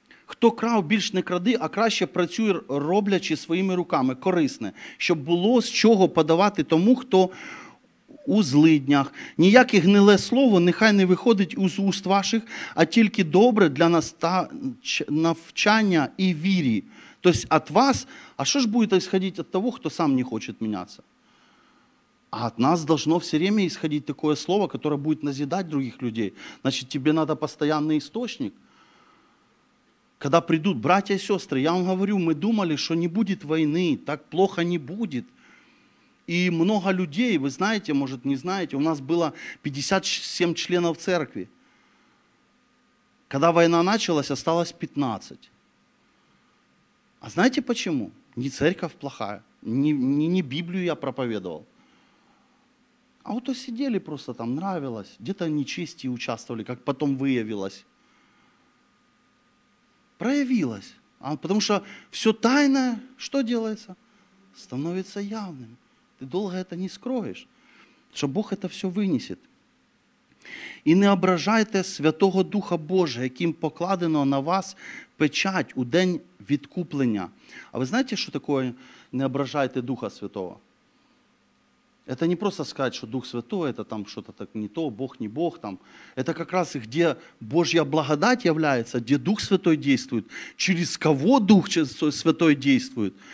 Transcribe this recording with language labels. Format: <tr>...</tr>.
<uk>Хто крав, більш не кради, а краще працює, роблячи своїми руками, корисне, щоб було з чого подавати тому, хто у злиднях. Ніяке гниле слово нехай не виходить з уст ваших, а тільки добре для навчання і вірі. Тобто, от вас, а що ж буде ісходити від того, хто сам не хоче змінятися? А от нас</uk> <ru>должно все время</ru> <uk>ісходити таке слово, яке буде назидати других людей. Значить, тобі треба постійний істочник.</uk> <ru>Когда придут братья и сестры, я вам говорю, мы думали, что не будет войны, так плохо не будет. И много людей, вы знаете, может не знаете, у нас было 57 членов церкви. Когда война началась, осталось 15. А знаете почему? Не церковь плохая, не Библию я проповедовал. А вот сидели просто там, нравилось, где-то нечестие участвовали, как потом выявилось. Проявилось. Потому что все тайное, что делается? Становится явным. Ты долго это не скроешь. Потому что Бог это все вынесет.</ru> <uk>И не ображайте Святого Духа Божия, яким покладено на вас печать у день відкуплення.</uk> <ru>А вы знаете, что такое не ображайте Духа Святого? Это не просто сказать, что Дух Святой, это там что-то так не то, Бог не Бог. Там. Это как раз где Божья благодать является, где Дух Святой действует, через кого Дух Святой действует.</ru>